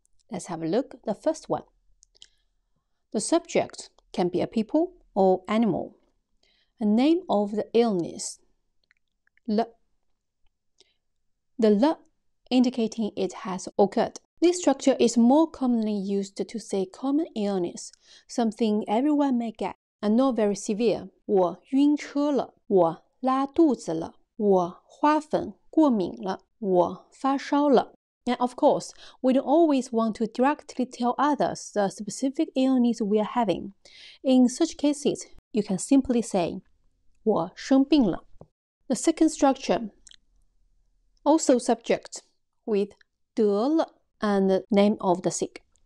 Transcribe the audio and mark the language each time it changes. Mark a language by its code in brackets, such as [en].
[en] Let's have a look at the first one. The subject can be a people or animal. A name of the illness, le. The le indicating it has occurred. This structure is more commonly used to say common illness, something everyone may get and not very severe. [zh] 我晕车了，我拉肚子了，我花粉过敏了，我发烧了。 [en] And of course, we don't always want to directly tell others the specific illness we are having. In such cases, you can simply say, [zh] 我生病了。 [en] The second structure, also subject, with 得了and the name of the sick.